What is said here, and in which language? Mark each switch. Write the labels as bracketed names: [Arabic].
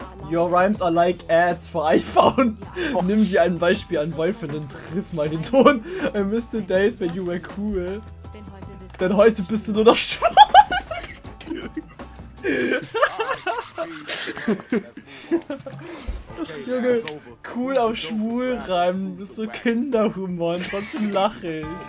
[English] Your rhymes are like ads for iPhone. [German] Nimm dir ein Beispiel an Wolf und dann triff mal den Ton. [English] I miss the days when you were cool. [German] Denn heute bist du nur noch schwach. Junge, cool auf schwul reimen, du bist so Kinderhumor und trotzdem lache ich.